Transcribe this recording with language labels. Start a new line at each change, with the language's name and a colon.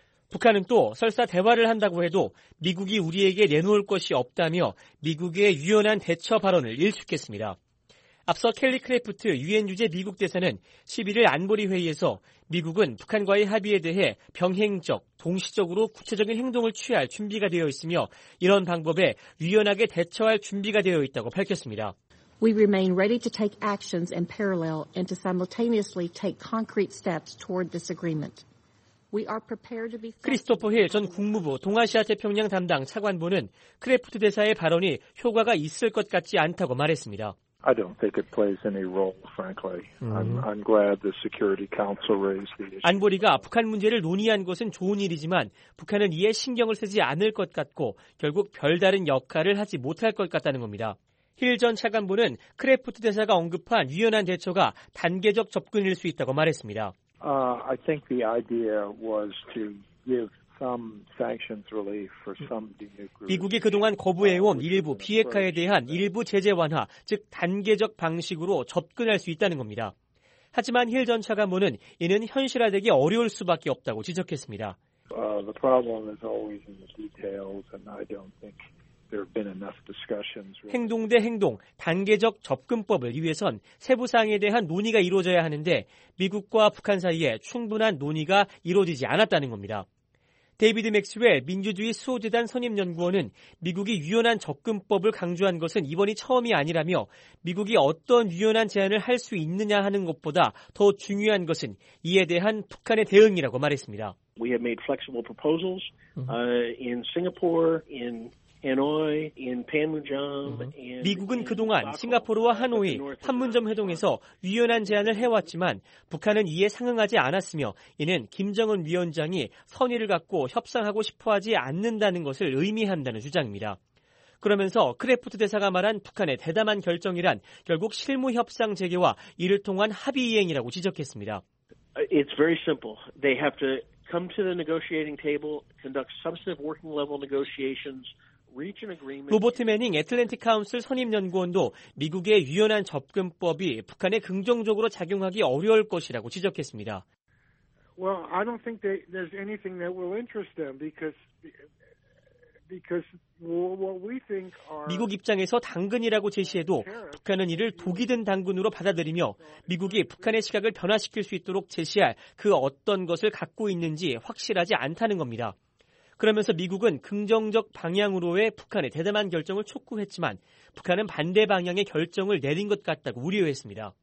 Korean: 북한은 또 설사 대화를 한다고 해도 미국이 우리에게 내놓을 것이 없다며 미국의 유연한 대처 발언을 일축했습니다. 앞서 켈리 크래프트 유엔 유재 미국 대사는 11일 안보리 회의에서 미국은 북한과의 합의에 대해 병행적, 동시적으로 구체적인 행동을 취할 준비가 되어 있으며 이런 방법에 유연하게 대처할 준비가 되어 있다고 밝혔습니다.
English: We remain ready to take actions in parallel and to simultaneously take concrete steps toward this agreement.
Korean: 크리스토퍼 힐 전 국무부 동아시아 태평양 담당 차관보는 크래프트 대사의 발언이 효과가 있을 것 같지 않다고 말했습니다.
English: I don't think it plays any role, frankly. I'm glad the Security Council raised the issue.
Korean: 안보리가 북한 문제를 논의한 것은 좋은 일이지만 북한은 이에 신경을 쓰지 않을 것 같고 결국 별다른 역할을 하지 못할 것 같다는 겁니다. 힐 전 차관보는 크래프트 대사가 언급한 유연한 대처가 단계적 접근일 수 있다고 말했습니다.
English: I think the idea was to give some sanctions relief for some degree.
Korean: 미국이 그동안 거부해온 일부 비핵화에 대한 일부 제재 완화, 즉 단계적 방식으로 접근할 수 있다는 겁니다. 하지만 힐 전 차관보는 이는 현실화되기 어려울 수밖에 없다고 지적했습니다.
English: The problem is always in the details, and I don't think there have been enough discussions.
Korean: 행동 대 행동, 단계적 접근법을 위해선 세부 사항에 대한 논의가 이루어져야 하는데 미국과 북한 사이에 충분한 논의가 이루어지지 않았다는 겁니다. 데이비드 맥스웰 민주주의 수호재단 선임연구원은 미국이 유연한 접근법을 강조한 것은 이번이 처음이 아니라며 미국이 어떤 유연한 제안을 할 수 있느냐 하는 것보다 더 중요한 것은 이에 대한 북한의 대응이라고 말했습니다.
English: We have made flexible proposals in Singapore, in Hanoi, in Panmunjom, and
Korean: 미국은 그동안 싱가포르와 하노이, 판문점 회동에서 유연한 제안을 해왔지만 북한은 이에 상응하지 않았으며 이는 김정은 위원장이 선의를 갖고 협상하고 싶어하지 않는다는 것을 의미한다는 주장입니다. 그러면서 크래프트 대사가 말한 북한의 대담한 결정이란 결국 실무 협상 재개와 이를 통한 합의 이행이라고 지적했습니다.
English: It's very simple. They have to come to the negotiating table, conduct substantive working level negotiations.
Korean: 로버트 매닝 애틀랜틱 카운슬 선임연구원도 미국의 유연한 접근법이 북한에 긍정적으로 작용하기 어려울 것이라고 지적했습니다.
English: Well, I don't think there's anything that will interest them because what we think are
Korean: 미국 입장에서 당근이라고 제시해도 북한은 이를 독이 든 당근으로 받아들이며 미국이 북한의 시각을 변화시킬 수 있도록 제시할 그 어떤 것을 갖고 있는지 확실하지 않다는 겁니다. 그러면서 미국은 긍정적 방향으로의 북한의 대담한 결정을 촉구했지만 북한은 반대 방향의 결정을 내린 것 같다고 우려했습니다.